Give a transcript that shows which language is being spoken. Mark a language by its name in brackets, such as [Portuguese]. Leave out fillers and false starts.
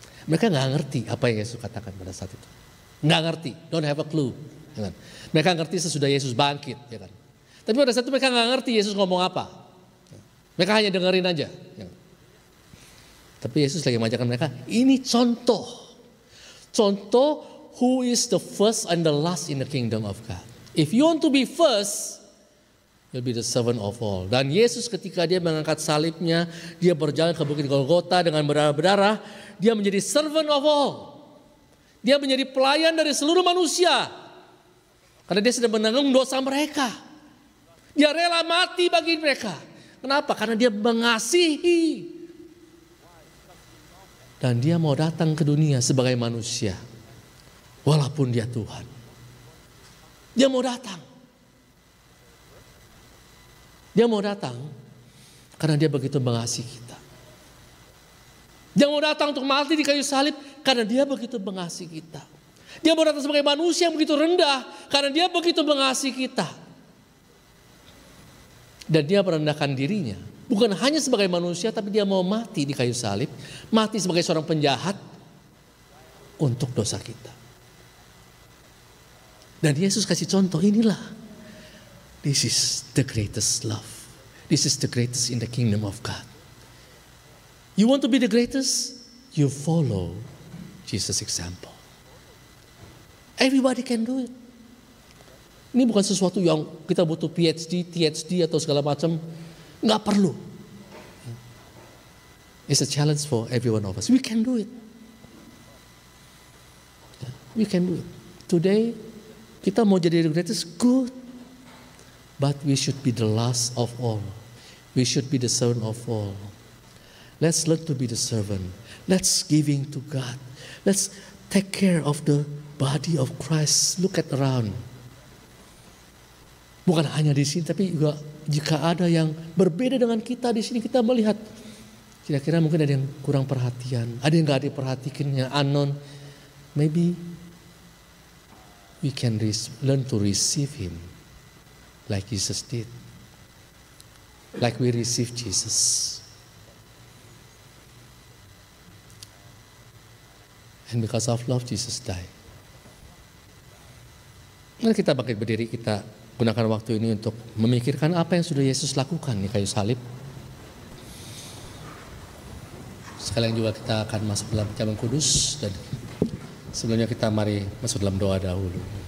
[Indonesian] Mereka gak ngerti apa yang Yesus katakan pada saat itu. Gak ngerti, [English] don't have a clue, [Indonesian] ya kan? Mereka ngerti sesudah Yesus bangkit, ya kan? Tapi pada saat itu mereka gak ngerti Yesus ngomong apa. Mereka hanya dengerin aja. Tapi Yesus lagi mengajarkan mereka, ini contoh. Contoh [English] who is the first and the last in the kingdom of God. If you want to be first, you'll be the servant of all. [Indonesian] Dan Yesus ketika dia mengangkat salibnya, dia berjalan ke bukit Golgota dengan berdarah-berdarah, dia menjadi [English] servant of all. [Indonesian] Dia menjadi pelayan dari seluruh manusia. Karena dia sedang menanggung dosa mereka. Dia rela mati bagi mereka. Kenapa? Karena dia mengasihi Dan dia mau datang ke dunia sebagai manusia. Walaupun dia Tuhan. Dia mau datang. Dia mau datang karena dia begitu mengasihi kita. Dia mau datang untuk mati di kayu salib karena dia begitu mengasihi kita. Dia mau datang sebagai manusia yang begitu rendah karena dia begitu mengasihi kita. Dan dia merendahkan dirinya. Bukan hanya sebagai manusia, tapi dia mau mati di kayu salib. Mati sebagai seorang penjahat untuk dosa kita. Dan Yesus kasih contoh inilah. [English] This is the greatest love. This is the greatest in the kingdom of God. You want to be the greatest? You follow Jesus' example. Everybody can do it. [Indonesian] Ini bukan sesuatu yang kita butuh PhD, THD atau segala macam. Enggak perlu. [English] It's a challenge for everyone of us. We can do it. We can do it. Today, [Indonesian] kita mau jadi [English] the greatest, good. But we should be the last of all. We should be the servant of all. Let's learn to be the servant. Let's giving to God. Let's take care of the body of Christ. Look at around. [Indonesian] Bukan hanya di sini, tapi juga jika ada yang berbeda dengan kita di sini, kita melihat. Kira-kira mungkin ada yang kurang perhatian. Ada yang gak diperhatikan, yang unknown. [English] Maybe we can learn to receive him like Jesus did. Like we receive Jesus. And because of love, Jesus died. [Indonesian] Mari kita bangkit berdiri, kita gunakan waktu ini untuk memikirkan apa yang sudah Yesus lakukan di kayu salib. Sekalian juga kita akan masuk dalam jamuan kudus, dan sebelumnya kita mari masuk dalam doa dahulu.